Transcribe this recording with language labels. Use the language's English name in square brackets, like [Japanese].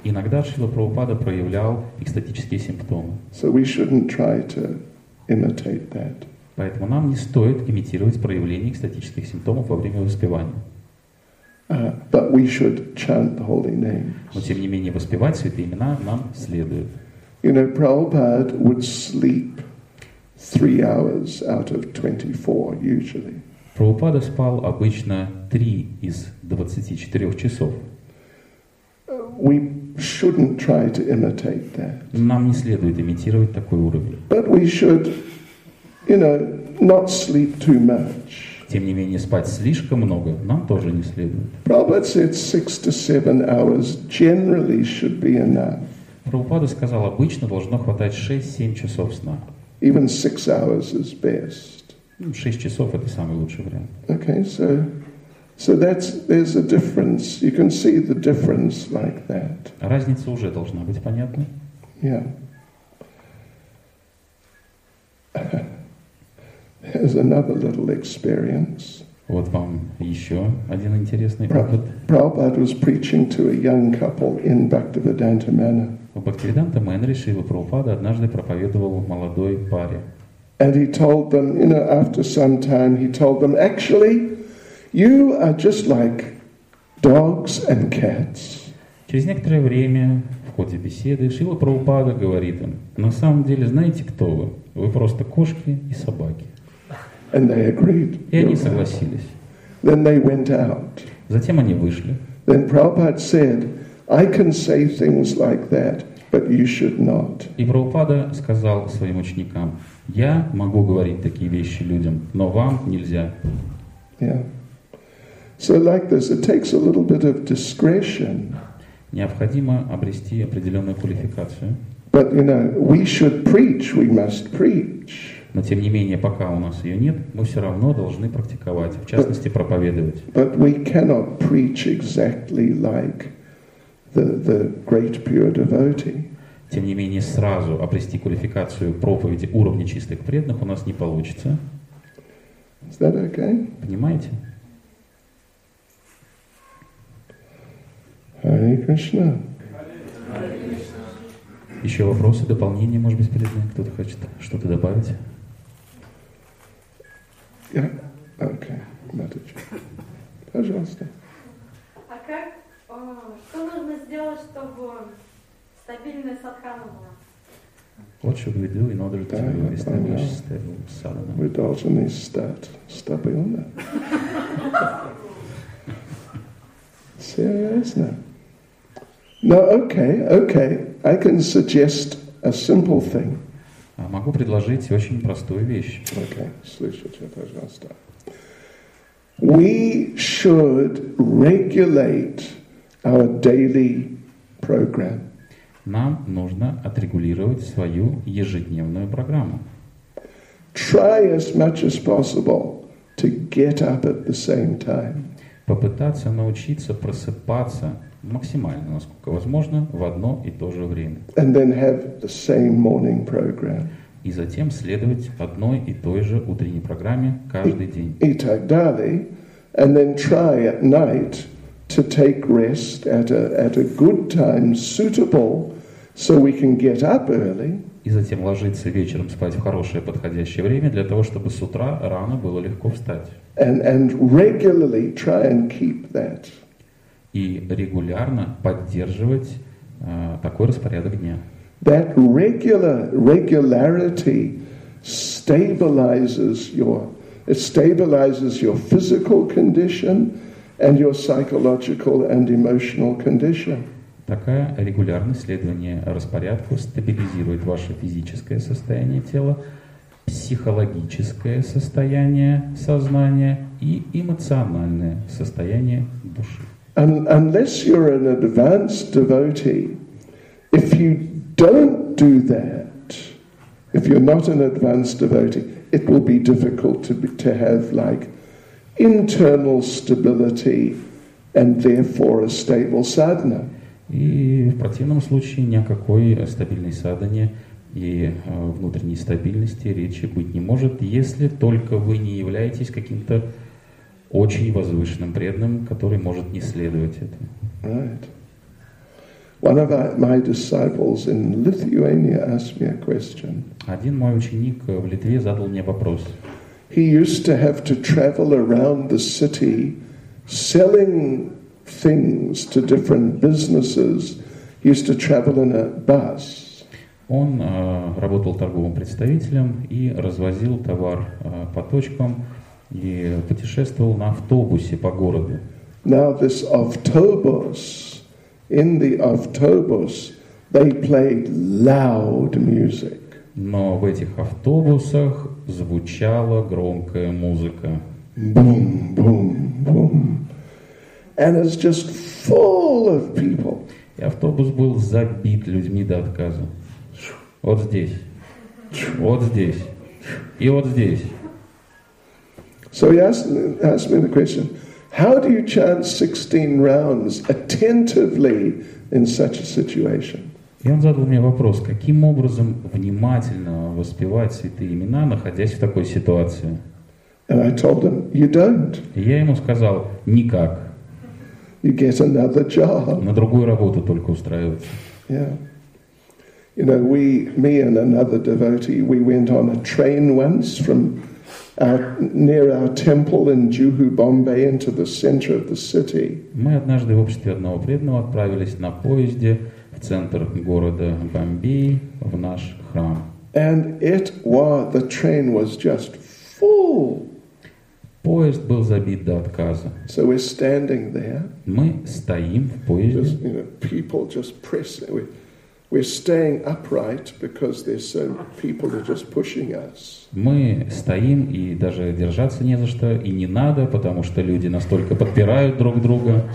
[Russian] Иногда Шрила Прабхупада проявлял экстатические симптомы. [English] So we shouldn't try to imitate that. [Russian] Поэтому нам не стоит имитировать проявление экстатических симптомов во время воспевания. [English] But we should chant the holy names. [Russian] Но тем не менее воспевать святые имена нам следует. [English] You know, Prabhupada would sleep 3 hours out of 24 usually. [Russian] Прабхупада спал обычно 3 из 24 часов. [English] We shouldn't try to imitate that. [Russian] Нам не следует имитировать такой уровень. [English] But we should, you know, not sleep too much. [Russian] Тем не менее, спать слишком много нам тоже не следует. [English] Prabhupada said 6 to 7 hours generally should be enough. [Russian] Прабхупада сказал, обычно должно хватать 6-7 часов сна. [English] Even 6 hours is best. [Russian] 6 часов это самый лучший вариант. [English] Okay, so that's there's a difference. You can see the difference like that. [Russian] Разница уже должна быть понятна. [English] Yeah. There's another little experience. [Russian] Вот вам еще один интересный опыт. [English] Prabhupada was preaching to a young couple in Bhaktivedanta Manor. [Russian] В Бхактивиданта Мэннере Шрила Прабхупада однажды проповедовал молодой паре. [English] And he told them, you know, after some time, he told them, actually, you are just like dogs and cats. [Russian] Через некоторое время в ходе беседы Шрила Прабхупада говорит им, на самом деле, знаете, кто вы? Вы просто кошки и собаки. [English] And they agreed. [Russian] И они согласились. [English] Then they went out. [Russian] Затем они вышли. [English] Then Prabhupada said, I can say things like that, but you should not. [Russian] И Прабхупада сказал своим ученикам, я могу говорить такие вещи людям, но вам нельзя. [English] Yeah. So like this, it takes a little bit of discretion. [Russian] Необходимо обрести определенную квалификацию. [English] But you know, we should preach, we must preach. [Russian] Но тем не менее, пока у нас ее нет, мы все равно должны практиковать, в частности, проповедовать. [English] But we cannot preach exactly like the great pure devotee. [Russian] Тем не менее, сразу обрести квалификацию проповеди уровня чистых преданных у нас не получится. [English] Is that okay? [Russian] Понимаете? [English] Hare Krishna. [Russian] Еще вопросы, дополнения, может быть, перед нами? Кто-то хочет что-то добавить? Я? Окей. Маточка. Пожалуйста. А как? О, что нужно сделать, чтобы стабильная садхана была? [English] What should we do in order to establish stable sadhana? We also need that stability. Serious now? No, okay, okay. I can suggest a simple thing. [Russian] Могу предложить очень простую вещь. Okay, слушайте, пожалуйста. [English] We should regulate our daily program. [Russian] Нам нужно отрегулировать свою ежедневную программу. [English] Try as much as possible to get up at the same time. [Russian] Попытаться научиться просыпаться максимально, насколько возможно, в одно и то же время. [English] And then have the same morning program. [Russian] И затем следовать одной и той же утренней программе каждый день. И так далее. [English] And then try at night to take rest at a good time suitable. So we can get up early. [Russian] И затем ложиться вечером спать в хорошее подходящее время для того, чтобы с утра рано было легко встать. [English] And regularly try and keep that. [Russian] И регулярно поддерживать такой распорядок дня. [English] That regularity stabilizes your physical condition and your psychological and emotional condition. [Russian] Такая регулярность следования распорядку стабилизирует ваше физическое состояние тела, психологическое состояние сознания и эмоциональное состояние души. [English] Unless you're an advanced devotee, if you don't do that, if you're not an advanced devotee, it will be difficult to have like internal stability and therefore a stable sadhana. [Russian] И в противном случае ни о какой стабильной садхане и внутренней стабильности речи быть не может, если только вы не являетесь каким-то очень возвышенным преданным, который может не следовать этому. [English] Right. One of my disciples in Lithuania asked me a question. [Russian] Один мой ученик в Литве задал мне вопрос. [English] He used to have to travel around the city selling things to different businesses. He used to travel in a bus. [Russian] Он работал торговым представителем и развозил товар по точкам и путешествовал на автобусе по городу. [English] Now this autobus, in the autobus, they played loud music. [Russian] Но в этих автобусах звучала громкая музыка. [English] Boom, boom, boom. And it's just full of people. [Russian] И автобус был забит людьми до отказа. Вот здесь. Вот здесь. И вот здесь. [English] So he asked me the question, how do you chant 16 rounds attentively in such a situation? [Russian] И он задал мне вопрос, каким образом внимательно воспевать святые имена, находясь в такой ситуации? [English] And I told him, you don't. [Russian] И я ему сказал, никак. [English] You get another job. [Russian] На другую работу только устраиваться. [English] Yeah. You know, me and another devotee, we went on a train once from near our temple in Juhu, Bombay, into the center of the city. [Russian] Мы однажды в обществе одного преданного отправились на поезде в центр города Бомбей в наш храм. [English] And it was, the train was just full. [Russian] Поезд был забит до отказа. [English] So we're standing there. [Russian] Мы стоим в поезде. [English] Just, you know, people just pressing. We're staying upright because there's so people are just pushing us. [Russian] Мы стоим и даже держаться не за что и не надо, потому что люди настолько подпирают друг друга.